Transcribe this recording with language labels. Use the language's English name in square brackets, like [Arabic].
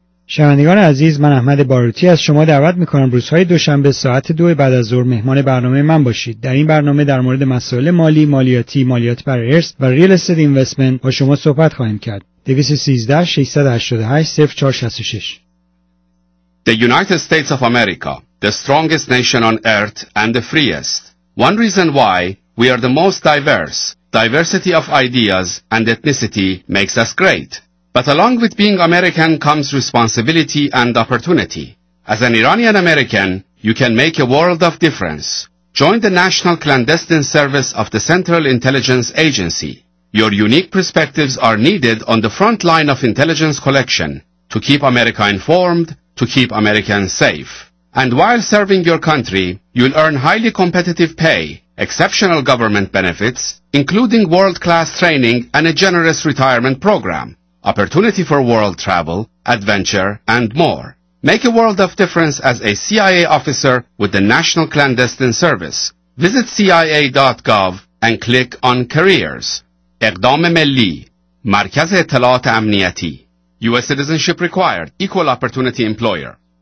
[Persian] شنوندگان عزیز، من احمد باروتی از شما دعوت می‌کنم روزهای دوشنبه ساعت 2 بعد از ظهر مهمان برنامه من باشید. در این برنامه در مورد مسائل مالی، مالیاتی، مالیات بر ارث و [English] real estate investment [Persian] با شما صحبت خواهیم کرد. 213-688-0466. [English] The United States of America, the strongest nation on earth and the freest. One reason why we are the most diverse. Diversity of ideas and ethnicity makes us great. But along with being American comes responsibility and opportunity. As an Iranian American, you can make a world of difference. Join the National Clandestine Service of the Central Intelligence Agency. Your unique perspectives are needed on the front line of intelligence collection to keep America informed, to keep Americans safe. And while serving your country, you'll earn highly competitive pay, exceptional government benefits, including world-class training and a generous retirement program, opportunity for world travel, adventure, and more. Make a world of difference as a CIA officer with the National Clandestine Service. Visit CIA.gov and click on Careers. [Persian] اقدام ملی، مرکز اطلاعات امنیتی. [English] U.S. citizenship required. Equal opportunity employer.